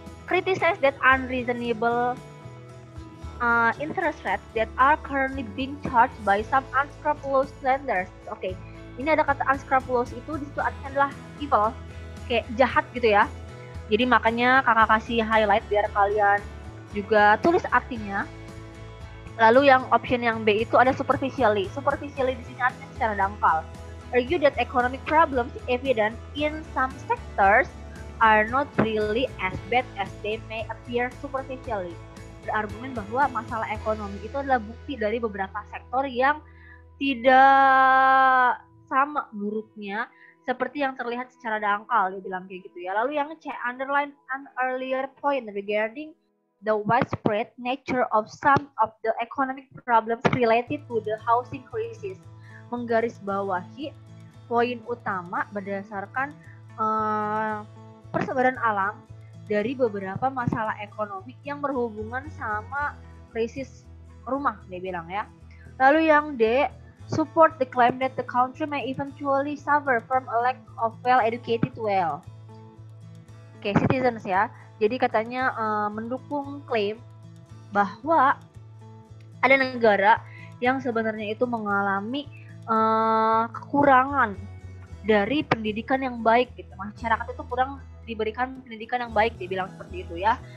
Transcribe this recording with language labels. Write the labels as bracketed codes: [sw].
[en] Criticize that unreasonable interest rates that are currently being charged by some unscrupulous lenders. Okay. [id] Ini ada kata unscrupulous, itu disitu adalah evil, kayak jahat gitu ya. Jadi makanya kakak kasih highlight biar kalian juga tulis artinya. Lalu yang option yang B itu ada superficially. Superficially di sini artinya secara dangkal. [en] Argue that economic problems evident in some sectors are not really as bad as they may appear superficially. [id] Berargumen bahwa masalah ekonomi itu adalah bukti dari beberapa sektor yang tidak sama buruknya seperti yang terlihat secara dangkal, dia bilang kayak gitu ya. Lalu yang C, [en] underline an earlier point regarding the widespread nature of some of the economic problems related to the housing crisis. [id] Menggarisbawahi poin utama berdasarkan persebaran alam dari beberapa masalah ekonomi yang berhubungan sama krisis rumah, dia bilang ya. Lalu yang D, [en] support the claim that the country may eventually suffer from a lack of well-educated well. Okay, citizens ya. [id] Jadi katanya mendukung klaim bahwa ada negara yang sebenarnya itu mengalami kekurangan dari pendidikan yang baik gitu. Masyarakat itu kurang diberikan pendidikan yang baik, dibilang seperti itu ya.